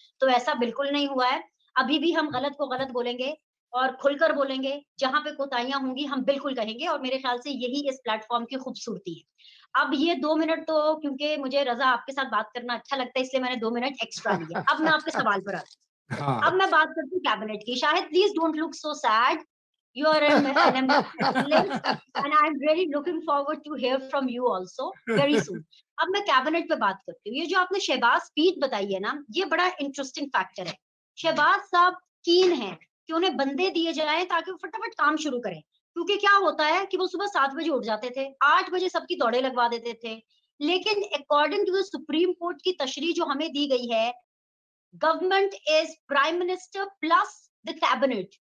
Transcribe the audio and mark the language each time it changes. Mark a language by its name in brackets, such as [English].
[Urdu] تو ایسا بالکل نہیں ہوا ہے. ابھی بھی ہم غلط کو غلط بولیں گے اور کھل کر بولیں گے. جہاں پہ کوتاہیاں ہوں گی ہم بالکل کہیں گے, اور میرے خیال سے یہی اس پلیٹ فارم کی خوبصورتی ہے. اب یہ دو منٹ تو, کیونکہ مجھے رضا آپ کے ساتھ بات کرنا اچھا لگتا ہے اس لیے میں نے دو منٹ ایکسٹرا لیا. اب میں آپ کے سوال پر آتا ہوں. اب میں بات کرتی ہوں کیبنٹ کی. [English] Shahid please don't look so sad. You are an excellent and I'm really looking forward to hear from you also very soon. [Urdu] اب میں کیبنٹ پہ بات کرتی ہوں. یہ جو آپ نے شہباز سپیچ بتائی ہے نا, یہ بڑا انٹرسٹنگ فیکٹر ہے. شہباز صاحب کین ہیں کہ انہیں بندے دیے جائیں تاکہ وہ فٹافٹ کام شروع کریں, کیونکہ کیا ہوتا ہے کہ وہ صبح 7 بجے اٹھ جاتے تھے, 8 بجے سب کی دوڑے لگوا دیتے تھے. لیکن [English] according to the supreme court [Urdu] کی تشریح جو ہمیں دی گئی ہے, [English] Government is prime minister plus the cabinet.